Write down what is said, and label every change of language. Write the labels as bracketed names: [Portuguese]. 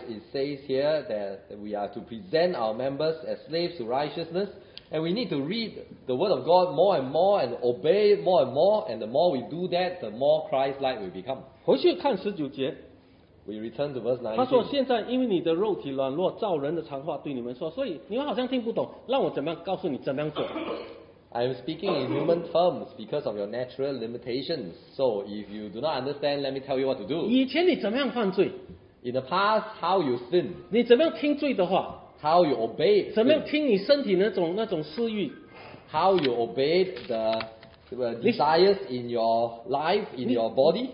[English] It says here that we are to present our members as slaves to righteousness, and we need to read the word of God more and more and obey more and more. And the more we do that, the more Christ-like we become. [Chinese] 回去看十九节。 [English] We return to verse 19. [Chinese] 他说：“现在因为你的肉体软弱，照人的常话对你们说，所以你们好像听不懂。让我怎么样告诉你怎么样做。” [English] I am speaking in human terms because of your natural limitations. So if you do not understand, let me tell you what to do. [Chinese] 以前你怎么样犯罪？ [English] In the past, how you sin? [Chinese] 你怎么样听罪的话？ [English] How you obey? [Chinese] 怎么样听你身体那种私欲？ [English] How you obey the desires in your life, in your body?